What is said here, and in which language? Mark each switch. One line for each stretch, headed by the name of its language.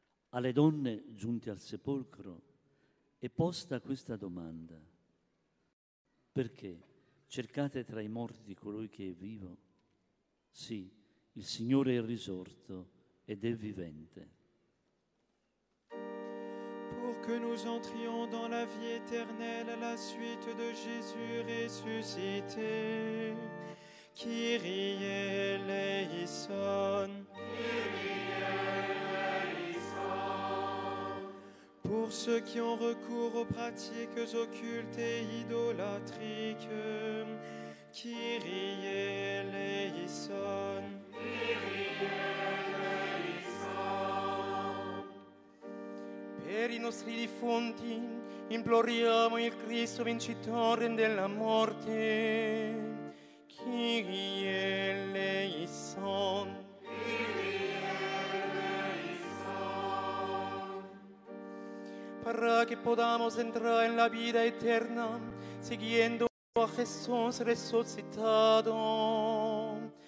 Italian: Alle donne giunte al sepolcro è posta questa domanda. Perché cercate tra i morti colui che è vivo? Sì, il Signore è risorto ed è vivente.
French: Pour que nous entrions dans la vie éternelle à la suite de Jésus ressuscité, Kyrie eleison. Pour ceux qui ont recours aux pratiques occultes et idolâtriques, Kyrie eleison.
Greek: Kyrie eleison.
Italian: Per i nostri defunti imploriamo il Cristo vincitore della morte, Kyrie eleison.
Spanish: Para que podamos entrar en la vida eterna siguiendo a Jesús resucitado.